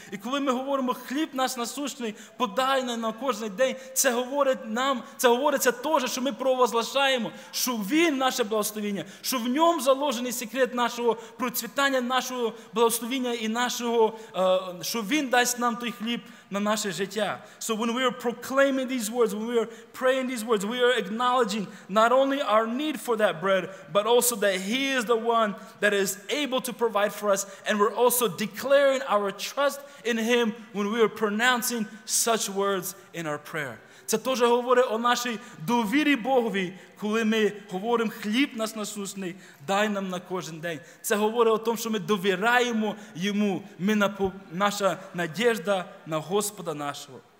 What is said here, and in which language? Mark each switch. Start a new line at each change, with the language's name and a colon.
Ukrainian: І коли ми говоримо, хліб наш насущний, подай нам на кожен день, це говорить нам, це говориться теж, що ми провозглашаємо, що Він наше благословіння, що в ньому заложений секрет нашого процвітання, нашого благословіння і нашого, що Він дасть нам той хліб на наше життя.
English: So when we are proclaiming these words, when we are praying these words, we are acknowledging not only our need for that bread, but also that He is the one that is able to provide for us, and we're also declaring our trust in Him when we are pronouncing such words in our prayer.
Ukrainian: Це теж говорить о нашій довірі Богові, коли ми говоримо «хліб наш насущний, дай нам на кожен день». Це говорить о тому, що ми довіряємо Йому, ми наша надіжда на Господа нашого.